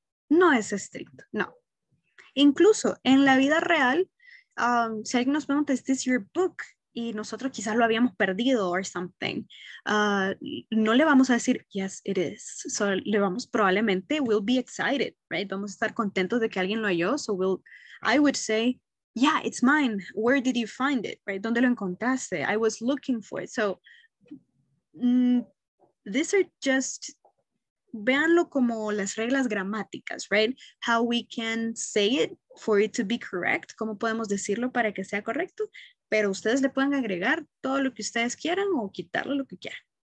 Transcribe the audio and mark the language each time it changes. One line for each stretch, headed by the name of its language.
Spanish: No es estricto, no. Incluso en la vida real, si alguien nos pregunta,
English: is this your book?
Spanish: Y nosotros quizás lo habíamos perdido
English: or something.
Spanish: No le vamos a decir,
English: yes, it is.
Spanish: So le vamos probablemente,
English: we'll be excited, right?
Spanish: Vamos a estar contentos de que alguien lo halló.
English: So we'll, I would say, yeah, it's mine. Where did you find it, right?
Spanish: ¿Dónde lo encontraste?
English: I was looking for it. So these are just,
Spanish: véanlo como las reglas gramáticas,
English: right? How we can say it for it to be correct.
Spanish: ¿Cómo podemos decirlo para que sea correcto? Pero ustedes le pueden agregar todo lo que ustedes quieran o quitarle lo que quieran.